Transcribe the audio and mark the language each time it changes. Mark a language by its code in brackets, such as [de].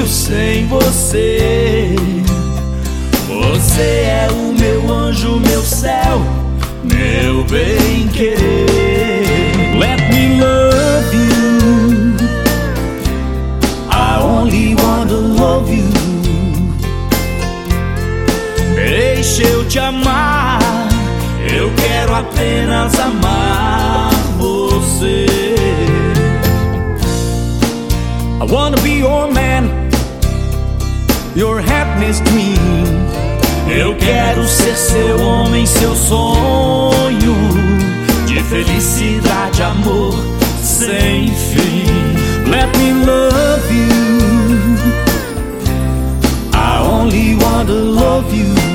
[pt] Sem você, você é o meu anjo, meu céu, meu bem querer. [en] Let me love you. I only want to love you. [pt] Deixa eu te amar. Eu quero apenas amar você. [en] I wanna be your man, your happiness dream. [pt] Eu quero ser seu homem, seu sonho de felicidade, amor sem fim. [en] Let me love you. I only want to love you.